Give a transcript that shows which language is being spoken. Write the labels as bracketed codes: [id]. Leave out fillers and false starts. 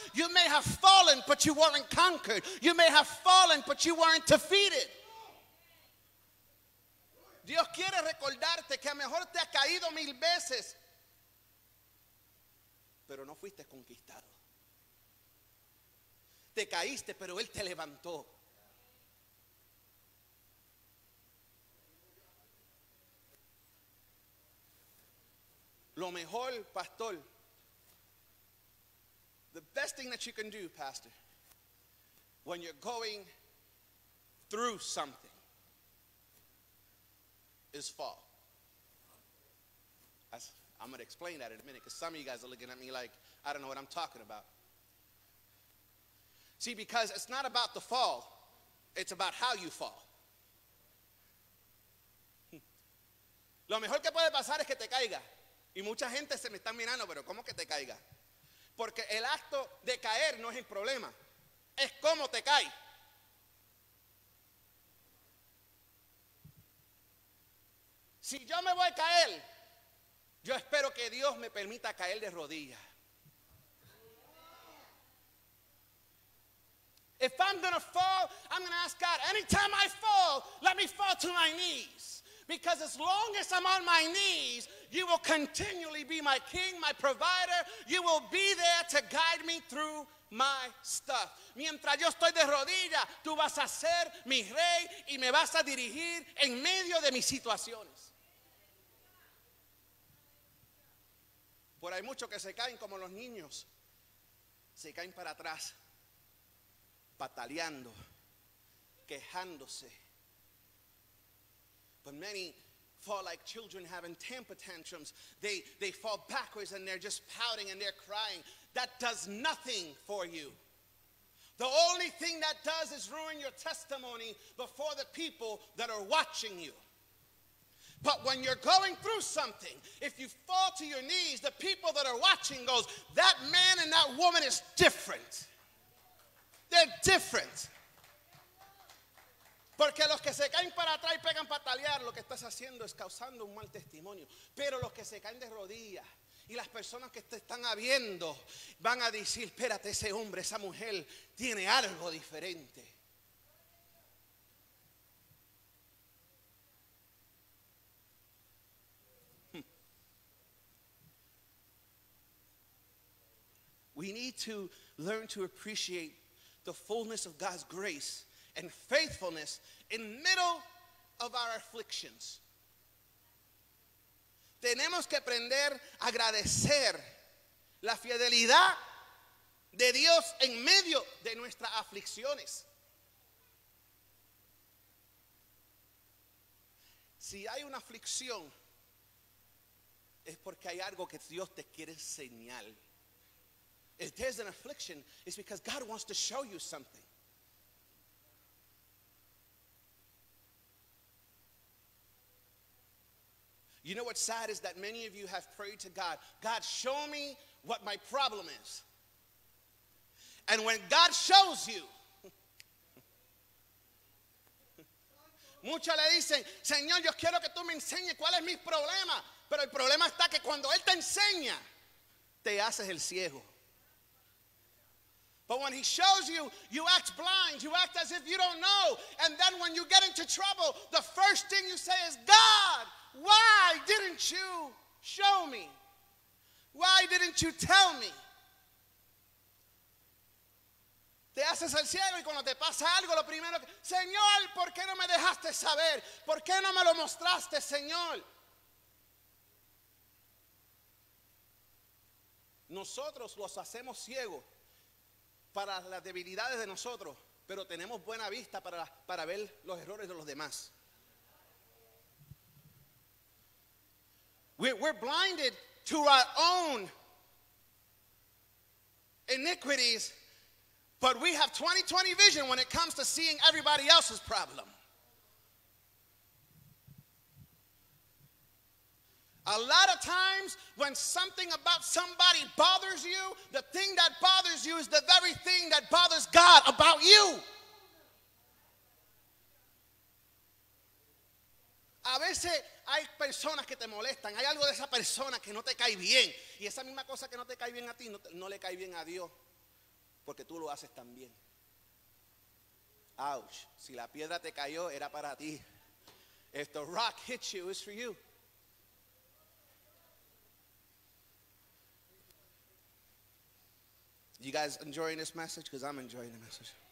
[en] You may have fallen, but you weren't conquered. You may have fallen, but you weren't defeated. [es] Dios quiere recordarte que a lo mejor te has caído mil veces, pero no fuiste conquistado. Te caíste, pero él te levantó. Lo mejor, pastor. [en] The best thing that you can do, pastor, when you're going through something, is fall. I'm going to explain that in a minute, because some of you guys are looking at me like, I don't know what I'm talking about. See, because it's not about the fall, it's about how you fall. [es] Lo mejor que puede pasar es que te caiga. Y mucha gente se me está mirando, pero ¿cómo que te caiga? Porque el acto de caer no es el problema. Es cómo te cae. Si yo me voy a caer, yo espero que Dios me permita caer de rodillas. [en] If I'm going to fall, I'm going to ask God, anytime I fall, let me fall to my knees. Because as long as I'm on my knees, you will continually be my king, my provider. You will be there to guide me through my stuff. [es] Mientras yo estoy de rodillas, tú vas a ser mi rey y me vas a dirigir en medio de mis situaciones. Por ahí muchos que se caen como los niños. Se caen para atrás, pataleando, quejándose. [en] But many fall like children having temper tantrums. They fall backwards and they're just pouting and they're crying. That does nothing for you. The only thing that does is ruin your testimony before the people that are watching you. But when you're going through something, if you fall to your knees, the people that are watching goes, that man and that woman is different. They're different. [es] Porque los que se caen para atrás y pegan patalear, lo que estás haciendo es causando un mal testimonio. Pero los que se caen de rodillas y las personas que te están viendo van a decir, espérate, ese hombre, esa mujer tiene algo diferente. [en] We need to learn to appreciate the fullness of God's grace and faithfulness in the middle of our afflictions. [es] Tenemos que aprender a agradecer la fidelidad de Dios en medio de nuestras aflicciones. Si hay una aflicción, es porque hay algo que Dios te quiere enseñar. [en] If there's an affliction, it's because God wants to show you something. You know what's sad is that many of you have prayed to God, God, show me what my problem is. And when God shows you, [es] muchos le dicen, Señor, yo quiero que tú me enseñes cuál es mi problema. Pero el problema está que cuando Él te enseña, te haces el ciego. [en] But when he shows you, you act blind. You act as if you don't know. And then when you get into trouble, the first thing you say is, God, why didn't you show me? Why didn't you tell me? [es] Te haces el ciego y cuando te pasa algo, lo primero, Señor, ¿por qué no me dejaste saber? ¿Por qué no me lo mostraste, Señor? Nosotros los hacemos ciegos para las debilidades de nosotros, pero tenemos buena vista para ver los errores de los demás. [en] We're blinded to our own iniquities, but we have 20/20 vision when it comes to seeing everybody else's problem. A lot of times when something about somebody bothers you, the thing that bothers you is the very thing that bothers God about you. [es] A veces hay personas que te molestan, hay algo de esa persona que no te cae bien. Y esa misma cosa que no te cae bien a ti, no le cae bien a Dios, porque tú lo haces también. Ouch, si la piedra te cayó, era para ti. [en] If the rock hits you, it's for you. You guys enjoying this message? Because I'm enjoying the message.